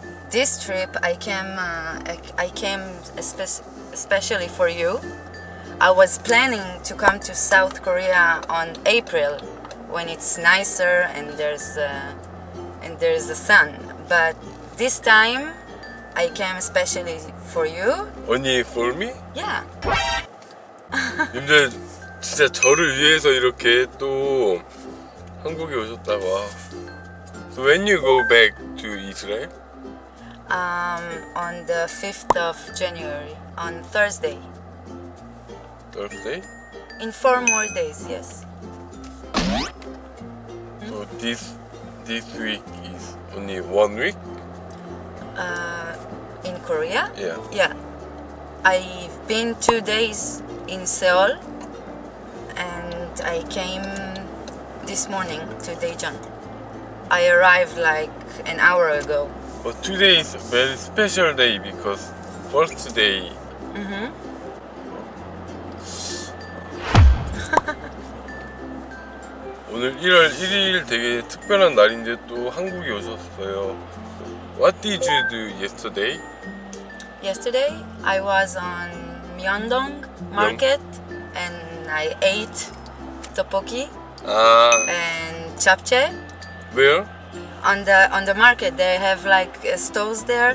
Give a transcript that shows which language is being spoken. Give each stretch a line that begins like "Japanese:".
English: This trip I came especially for you. I was planning to come to South Korea on April when it's nicer and there's the sun. But this time I came especially for you. Only for me? Yeah.
Korean: 님들 진짜 저를 위해서 이렇게 또 한국에 오셨다고.
English: So when you go back to Israel? On the 5th of January, on Thursday. Thursday? In 4 more days, yes. So this week is only 1 week? In Korea? Yeah. Yeah. I've been 2 days in Seoul and I came this morning to Daejeon. I arrived like an hour ago. But today is a very special day because first day. Mm-hmm.
Korean: 오늘 1월 1일 되게 특별한 날인데 또 한국에 오셨어요.
English: What did you do yesterday? Yesterday I was on Myeongdong market and I ate tteokbokki and japchae. Where? On the market, they have like stalls there.